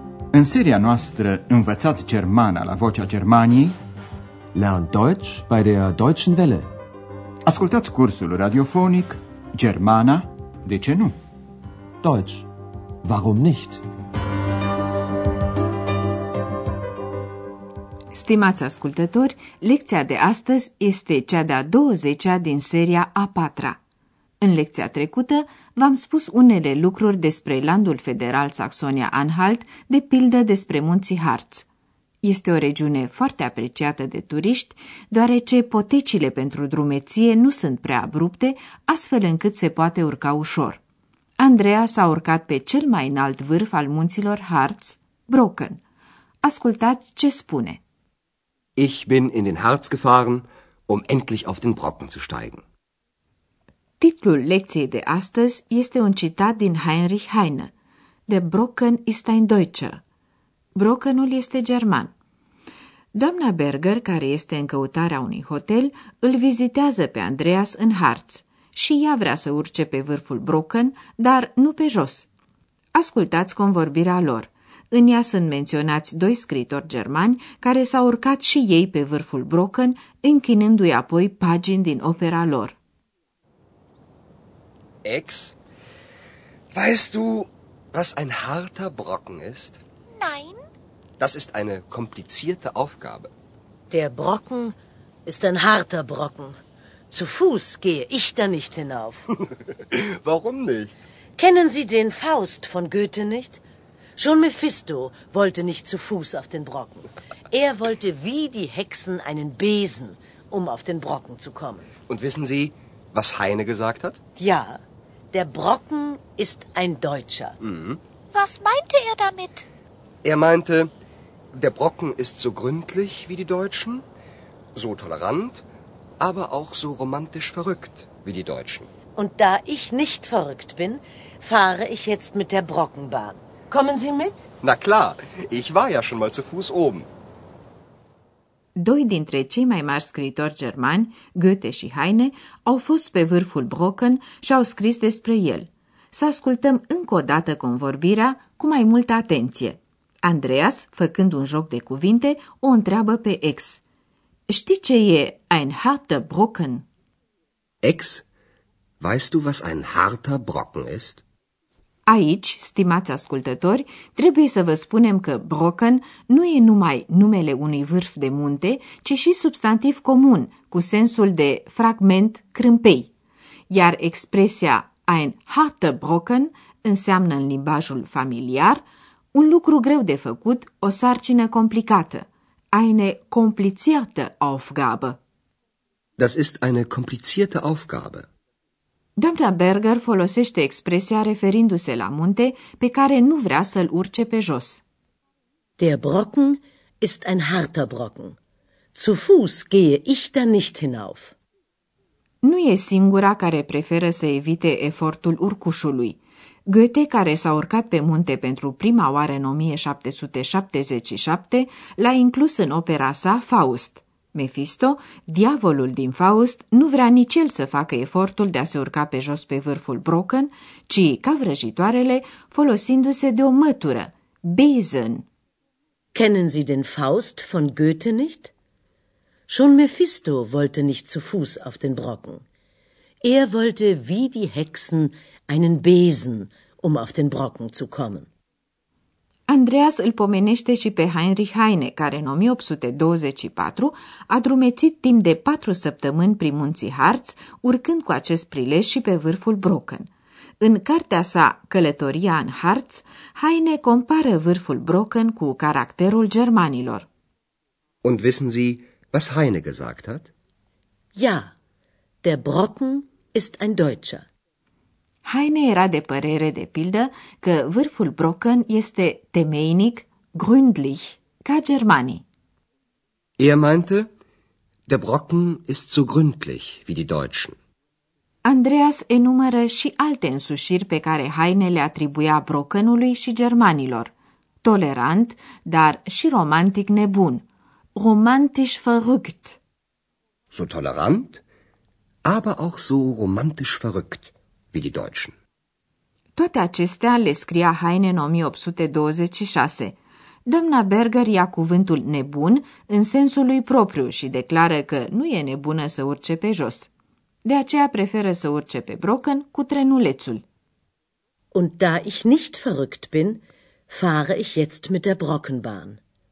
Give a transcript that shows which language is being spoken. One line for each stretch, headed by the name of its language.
Romanian: În seria noastră Învățați Germana la Vocea Germaniei,
German: Lern Deutsch bei der Deutschen Welle.
Romanian: Ascultați cursul radiofonic Germana, de ce nu?
German: Deutsch, warum nicht?
Romanian: Stimați ascultători, lecția de astăzi este cea de-a 20-a din seria a 4-a. În lecția trecută v-am spus unele lucruri despre Landul Federal Saxonia-Anhalt, de pildă despre munții Harz. Este o regiune foarte apreciată de turiști, deoarece potecile pentru drumeție nu sunt prea abrupte, astfel încât se poate urca ușor. Andrea s-a urcat pe cel mai înalt vârf al munților Harz, Brocken. Ascultați ce spune.
German: Ich bin in den Harz gefahren, um endlich auf den Brocken zu steigen.
Romanian: Titlul lecției de astăzi este un citat din Heinrich Heine.
German: Der Brocken ist ein Deutscher.
Romanian: Brockenul este german. Doamna Berger, care este în căutarea unui hotel, îl vizitează pe Andreas în Harz. Și ea vrea să urce pe vârful Brocken, dar nu pe jos. Ascultați convorbirea lor. În ea sunt menționați doi scriitori germani care s-au urcat și ei pe vârful Brocken, închinându-i apoi pagini din opera lor.
German: Ex, weißt du, was ein harter Brocken ist? Nein. Das ist eine komplizierte Aufgabe. Der Brocken ist ein harter Brocken. Zu Fuß gehe ich da nicht hinauf. Warum nicht? Kennen Sie den Faust von Goethe nicht? Schon Mephisto wollte nicht zu Fuß auf den Brocken. Er wollte wie die Hexen einen Besen, um auf den Brocken zu kommen. Und wissen Sie, was Heine gesagt hat? Ja, der Brocken ist ein Deutscher. Mhm. Was meinte er damit? Er meinte, der Brocken ist so gründlich wie die Deutschen, so tolerant, aber auch so romantisch verrückt wie die Deutschen. Und da ich nicht verrückt bin, fahre ich jetzt mit der Brockenbahn. Kommen Sie mit? Na klar, ich war ja schon mal zu Fuß oben.
Romanian: Doi dintre cei mai mari scriitori germani, Goethe și Heine, au fost pe vârful Brocken și au scris despre el. Să ascultăm încă o dată convorbirea cu mai multă atenție. Andreas, făcând un joc de cuvinte, o întreabă pe Ex. Știi ce e
German: ein harter Brocken? Ex, weißt du was ein harter Brocken ist?
Romanian: Aici, stimați ascultători, trebuie să vă spunem că Brocken nu e numai numele unui vârf de munte, ci și substantiv comun, cu sensul de fragment, crâmpei. Iar expresia
German: ein harter Brocken
Romanian: înseamnă în limbajul familiar un lucru greu de făcut, o sarcină complicată.
German: Eine komplizierte Aufgabe. Das ist eine komplizierte Aufgabe.
Romanian: Doamna Berger folosește expresia referindu-se la munte pe care nu vrea să-l urce pe jos.
German: Der Brocken ist ein harter Brocken. Zu Fuß gehe ich da nicht hinauf.
Romanian: Nu e singura care preferă să evite efortul urcușului. Goethe, care s-a urcat pe munte pentru prima oară în 1777, l-a inclus în opera sa Faust. Mephisto, diavolul din Faust, nu vrea nici el să facă efortul de a se urca pe jos pe vârful Brocken, ci, ca vrăjitoarele, folosindu-se de o mătură, Besen.
German: Kennen Sie den Faust von Goethe nicht? Schon Mephisto wollte nicht zu Fuß auf den Brocken. Er wollte wie die Hexen einen Besen, um auf den Brocken zu kommen.
Romanian: Andreas îl pomenește și pe Heinrich Heine, care în 1824 a drumețit timp de 4 săptămâni prin munții Harz, urcând cu acest prilej și pe vârful Brocken. În cartea sa Călătoria în Harz, Heine compară vârful Brocken cu caracterul germanilor.
German: Und wissen Sie, was Heine gesagt hat? Ja, der Brocken ist ein Deutscher.
Romanian: Heine era de părere, de pildă, că vârful Brocken este temeinic, gründlich, ca germanii.
German: Er meinte, der Brocken ist so gründlich wie die Deutschen.
Romanian: Andreas enumără și alte însușiri pe care Heine le atribuia Brockenului și germanilor. Tolerant, dar și romantic nebun.
German: Romantisch verrückt. So tolerant, aber auch so romantisch verrückt. Wie die Deutschen.
Romanian: Toate acestea le scria Heine în 1826. Doamna Berger ia cuvântul nebun în sensul lui propriu și declară că nu e nebună să urce pe jos. De aceea preferă să urce pe Brocken cu trenulețul.
German: Und da ich nicht verrückt bin, fahre ich jetzt mit der Brockenbahn.